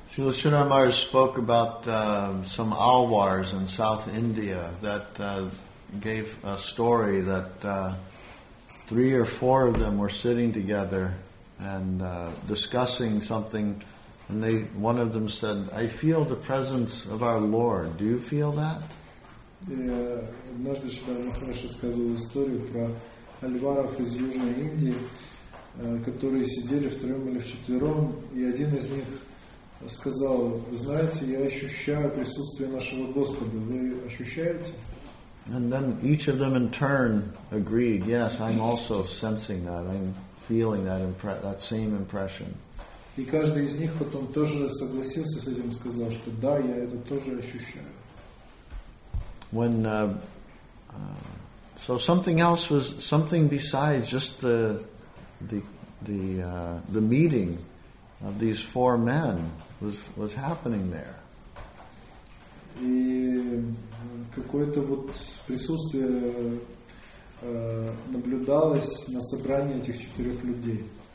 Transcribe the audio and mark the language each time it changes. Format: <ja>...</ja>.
<en>Srila Srinivasa Maharaj spoke about some alwars in South India that gave a story that three or four of them were sitting together and discussing something. And they, one of them said, I feel the presence of our Lord. Do you feel that?</en> <ru>Однажды Шри Махарадж рассказывал историю про альваров из Южной Индии, которые сидели втроем или вчетвером, и один из них сказал, знаете, я ощущаю присутствие нашего Господа. Вы ощущаете?</ru> <en>And then each of them in turn agreed, yes, I'm also sensing that. I'm feeling that that same impression.</en> <ru>И каждый из них потом тоже согласился с этим, сказал, что да, я это тоже ощущаю.</ru> <en>When so something else was something besides just the meeting of these four men was happening there.</en> <ru>И какое-то вот присутствие наблюдалось на собрании этих четырех людей.</ru>